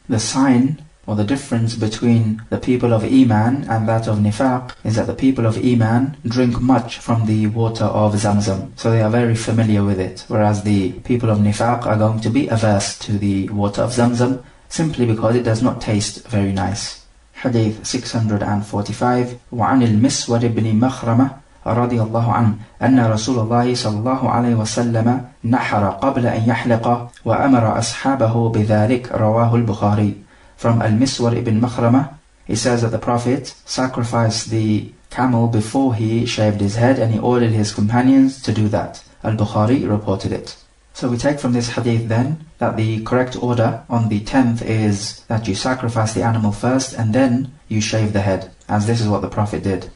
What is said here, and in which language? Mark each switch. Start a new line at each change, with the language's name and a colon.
English: The sign or the difference between the people of iman and that of nifaq is that the people of iman drink much from the water of zamzam, so they are very familiar with it, whereas the people of nifaq are going to be averse to the water of zamzam simply because it does not taste very nice. Hadith 645.
Arabic: وعن المسور بن مخرمة رضي الله عنه أن رسول الله صلى الله عليه وسلم نحر قبل أن يحلق وأمر أصحابه بذلك رواه البخاري.
English: From المسور بن مخرمة, he says that the Prophet sacrificed the camel before he shaved his head, and he ordered his companions to do that. البخاري reported it. So we take from this hadith then that the correct order on the 10th is that you sacrifice the animal first and then you shave the head, as this is what the Prophet did.